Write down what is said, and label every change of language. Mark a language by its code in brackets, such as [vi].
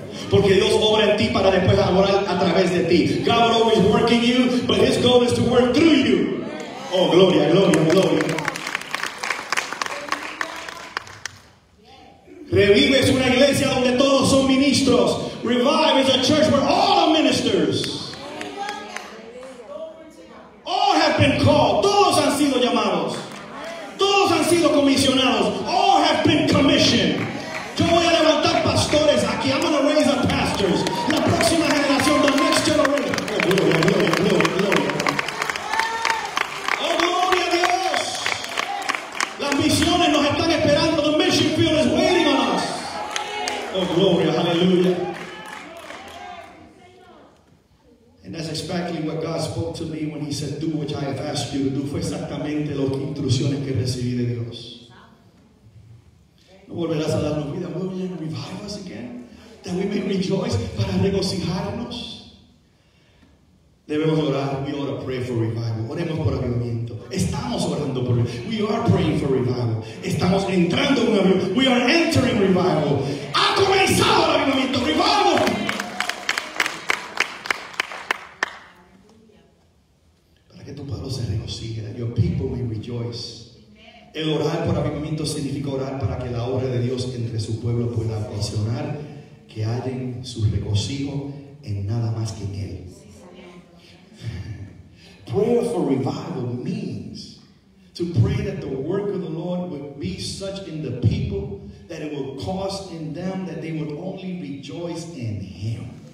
[es] Porque Dios obra en ti para después orar a través de ti. [en] God will always work in you, but His goal is to work through you. [es] Oh, gloria, gloria, gloria. Revive es una iglesia donde todos son ministros. [en] Revive is a church where all are ministers. All have been called. [es] Todos han sido llamados. Todos han sido comisionados. [en] All have been commissioned. [es] Yo voy a levantar pastores aquí. [en] I'm going to raise up pastors. [es] La próxima generación, [en] the next generation. [es] Oh, gloria, gloria, gloria, gloria. Oh, gloria a Dios. Las misiones nos están esperando. [en] The mission field is waiting on us. [es] Oh, gloria, aleluya. [en] And that's exactly what God spoke to me when He said, do what I have asked you to do. [es] Fue exactamente las instrucciones que recibí de Dios. No volverás a darnos vida. [en] Will you revive us again? That we may rejoice, [es] para regocijarnos. Debemos orar. [en] We ought to pray for revival. [es] Oremos por avivamiento. Estamos orando por revival. [en] We are praying for revival. [es] Estamos entrando en revival. [en] We are entering revival. [es] Ha comenzado el avivamiento. [en] Revival. [es] Para que tu pueblo se regocije. [en] That your people may rejoice. [es] El orar por avivamiento significa orar para que la obra de Dios entre su pueblo pueda funcionar, que hallen su regocijo en nada más que en Él. [en] Prayer for revival means to pray that the work of the Lord would be such in the people that it would cause in them that they would only rejoice in Him.